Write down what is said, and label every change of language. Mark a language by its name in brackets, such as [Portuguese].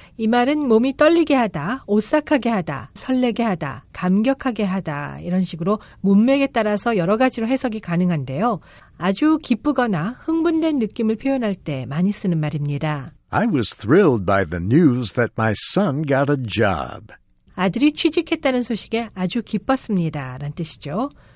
[Korean] 이 말은 몸이 떨리게 하다, 오싹하게 하다, 설레게 하다, 감격하게 하다 이런 식으로 문맥에 따라서 여러 가지로 해석이 가능한데요. 아주 기쁘거나 흥분된 느낌을 표현할 때 많이 쓰는 말입니다. [English] I was thrilled by the news that my son got a job. [Korean] 아들이 취직했다는 소식에 아주 기뻤습니다 라는 뜻이죠.